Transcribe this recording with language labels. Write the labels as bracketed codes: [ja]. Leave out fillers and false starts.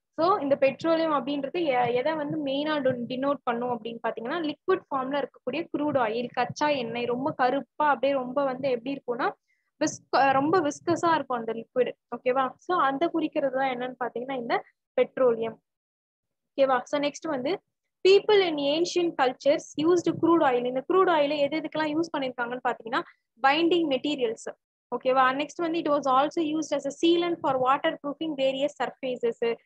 [ta] So இந்த petroleum அப்படின்றது எதை வந்து மெயினா டினோட் பண்ணும் அப்படின்னு பாத்தீங்கன்னா லிக்விட் ஃபார்ம்ல இருக்கக்கூடிய க்ரூட் ஆயில், கச்சா எண்ணெய், ரொம்ப கருப்பா அப்படியே ரொம்ப வந்து எப்படி இருக்கும்னா ரொம்ப விஸ்கஸா இருக்கும் அந்த லிக்விடு. ஓகேவா? சோ அந்த குறிக்கிறது தான் என்னன்னு பாத்தீங்கன்னா இந்த பெட்ரோலியம். ஓகேவா? [en] So next வந்து people in ancient cultures used crude oil. [ta] இந்த க்ரூட் ஆயில் எது எதுக்கெல்லாம் யூஸ் பண்ணியிருக்காங்கன்னு பார்த்தீங்கன்னா பைண்டிங் மெட்டீரியல்ஸ். ஓகேவா? [en] Next வந்து it was also used as a sealant for waterproofing various surfaces.